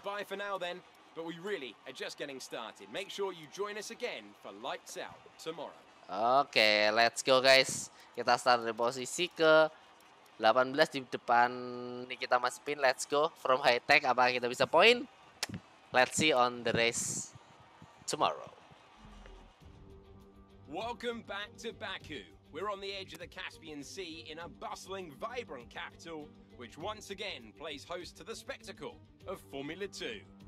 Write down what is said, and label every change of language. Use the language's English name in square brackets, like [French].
[English] Bye for now then, but we really are just getting started. Make sure you join us again for lights out tomorrow. Oke, let's go guys. [Indonesian] Kita start dari posisi ke 18 di depan Nikita Mazepin. [English] Let's go from high tech, [Indonesian] apakah kita bisa poin? [English] Let's see on the race tomorrow. Welcome back to Baku. We're on the edge of the Caspian Sea in a bustling, vibrant capital, which once again plays host to the spectacle of Formula 2.